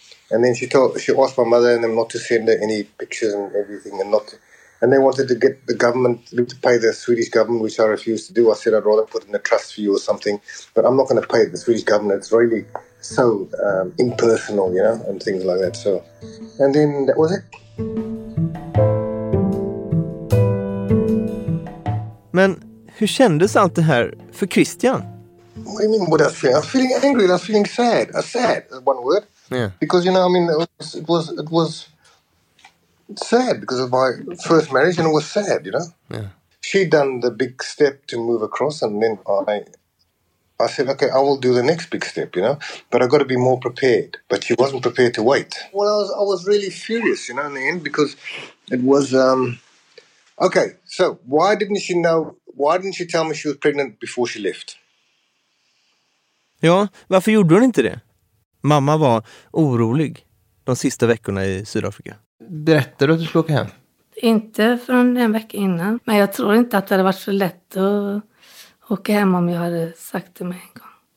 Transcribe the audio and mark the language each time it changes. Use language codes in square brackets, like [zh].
[en] And then she asked my mother and them not to send her any pictures and everything, and they wanted to get the government to pay the Swedish government, which I refused to do. I said I'd rather put in a trust for you or something, but I'm not going to pay the Swedish government. It's really so impersonal, you know, and things like that. So, and then that was it. [sv] Men hur kändes allt det här för Christian? [en] what do you mean, what I was feeling? I was feeling angry. I was feeling sad. Sad is one word. Yeah. Because, you know, I mean, it was sad because of my first marriage, and it was sad, you know. Yeah. She'd done the big step to move across, and then I said, okay, I will do the next big step, you know, but I got to be more prepared. But she wasn't prepared to wait. Well, I was really furious, you know, in the end, because it was, okay, so why didn't she know, why didn't she tell me she was pregnant before she left? [sv] Ja, varför gjorde hon inte det? Mamma var orolig de sista veckorna i Sydafrika. Berättade du att du skulle åka hem? Inte från en vecka innan. Men jag tror inte att det hade varit så lätt att åka hem om jag hade sagt det med en gång.